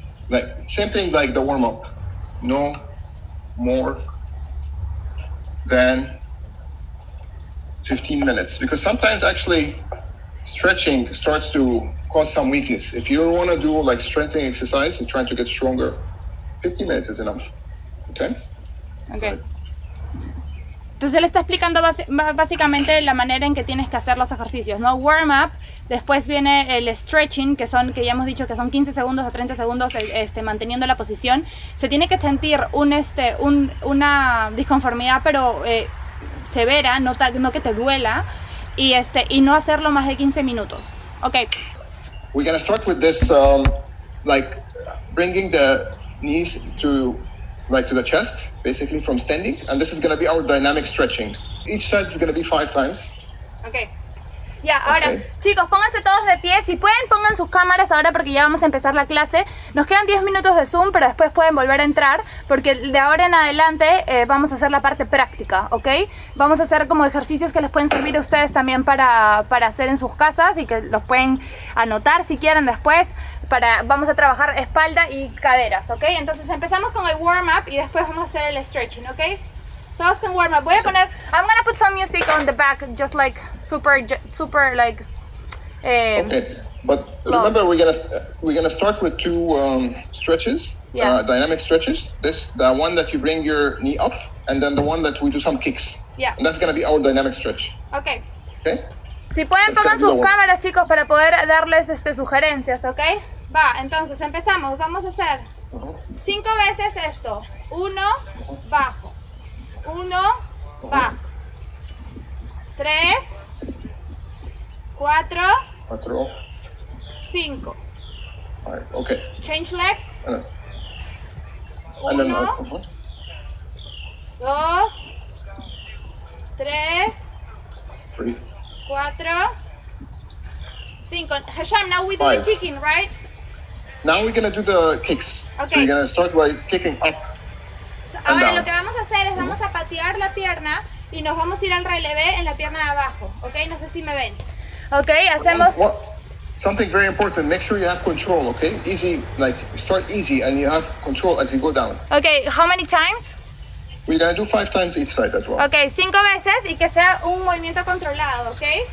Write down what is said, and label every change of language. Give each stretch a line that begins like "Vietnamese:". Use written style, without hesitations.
English: Like, same thing like the warm-up, no more than 15 minutes, because sometimes actually stretching starts to cause some weakness. If you want to do like strengthening exercise and trying to get stronger, 15 minutes is enough. Okay? Okay.
Spanish: Entonces él está explicando básicamente la manera en que tienes que hacer los ejercicios, ¿no? Warm up, después viene el stretching, que son, que ya hemos dicho que son 15 segundos a 30 segundos manteniendo la posición. Se tiene que sentir una disconformidad, pero severa, no que te duela. Y y no hacerlo más de 15 minutos. Okay.
English: We're gonna start with this, like bringing the knees to the chest, basically from standing, and this is gonna be our dynamic stretching. Each side is gonna be 5 times.
Spanish: Okay. Ya, ahora, okay. Chicos, pónganse todos de pie. Si pueden, pongan sus cámaras ahora porque ya vamos a empezar la clase. Nos quedan 10 minutos de Zoom, pero después pueden volver a entrar porque de ahora en adelante vamos a hacer la parte práctica, ¿ok? Vamos a hacer como ejercicios que les pueden servir a ustedes también para hacer en sus casas y que los pueden anotar si quieren después. Vamos a trabajar espalda y caderas, ¿ok? Entonces empezamos con el warm-up y después vamos a hacer el stretching, ¿ok? Todos con warm up.
English: I'm gonna put some music on the back, just like super like. Okay, but low. Remember we're gonna start with two stretches, yeah. Dynamic stretches. This, the one that you bring your knee up, and then the one that we do some kicks. Yeah. And that's gonna be our dynamic stretch. Okay. Okay.
Spanish: Si pueden, pongan sus cámaras, chicos, para poder darles sugerencias, okay? Va, entonces empezamos. Vamos a hacer 5 veces esto. 1, bajo. 1, va. 3, 4, 5. Ok.
English: Change legs. 1, 2, 3, 4, 5. Hashem, now we do the kicking, right? Now we're going to do the kicks. Okay. So you're going to start by kicking up.
Spanish: Ahora lo que vamos a hacer es vamos a patear la pierna y nos vamos a ir al relevé en la pierna de abajo, ¿ok? No sé si me ven. Ok, hacemos...
English: Something very important, make sure you have control, ¿ok? Easy, like, start easy and you have control as you go down. Ok, how many times? We're gonna do 5 times each side as well.
Spanish: Ok, 5 veces y que sea un movimiento controlado, ¿ok?